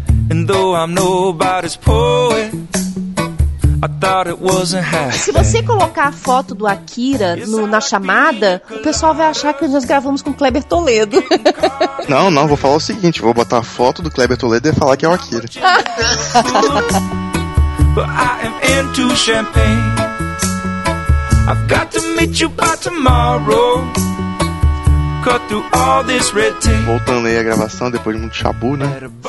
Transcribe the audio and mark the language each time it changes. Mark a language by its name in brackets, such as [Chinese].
[English] And though I'm nobody's poet, I thought it wasn't happening. [Portuguese] Se você colocar a foto do Akira no, na chamada, o pessoal vai achar que nós gravamos com o Kleber Toledo. Não, não, vou falar o seguinte, vou botar a foto do Kleber Toledo e falar que é o Akira. [English] I am into champagne. I've got to meet you by tomorrow. Cut through all this red tape. [Portuguese] Voltando aí a gravação depois de muito chabu, né?